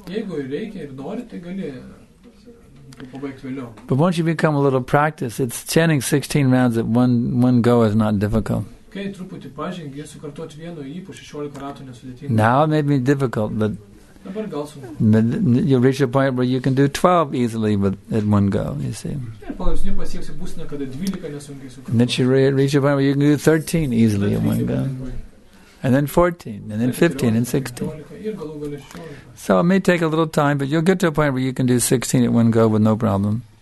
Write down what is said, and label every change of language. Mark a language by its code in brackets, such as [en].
[lt] Jeigu reikia ir nori, tai gali pabaigti vėliau. [en] But once you become a little practice, it's chanting 16 rounds at one go is not difficult. [lt] Kai truputį pažengi, sukartoti vienu ypu 16 ratų nesudėtinga. [en] Now it may be difficult, but [lt] dabar gal sunku. [en] You reach a point where you can do 12 easily but at one go, you see. [lt] Ir palaipsniui pasieksi būsiną, kada 12 nesunkiai sukartoti. [en] Then you reach a point where you can do 13 easily at one go. And then 14, and then 15, and 16. So it may take a little time, but you'll get to a point where you can do 16 at one go with no problem.